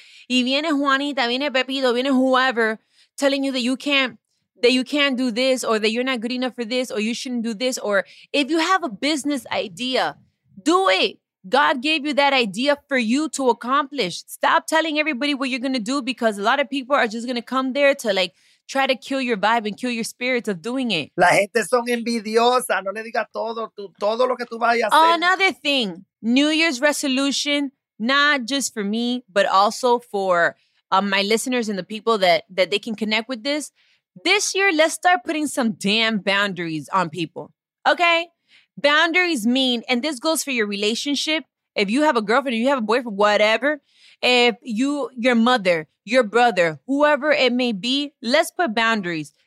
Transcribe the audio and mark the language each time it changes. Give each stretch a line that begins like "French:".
Spanish: Y viene Juanita, viene Pepito, viene
English: whoever, telling you that you can't do this, or that you're not good enough for this, or you shouldn't do this. Or if you have a business idea, do it. God gave you that idea for you to accomplish. Stop telling everybody what you're going to do, because a lot of people are just going to come there to like try to kill your vibe and kill your spirits of doing it.
Spanish: La gente son envidiosa. No le digas todo lo que tú vayas a hacer.
English: Another thing, New Year's resolution, not just for me, but also for my listeners and the people that they can connect with this. This year, let's start putting some damn boundaries on people, okay? Boundaries mean, and this goes for your relationship, if you have a girlfriend, if you have a boyfriend, whatever, if you, your mother, your brother, whoever it may be, let's put boundaries.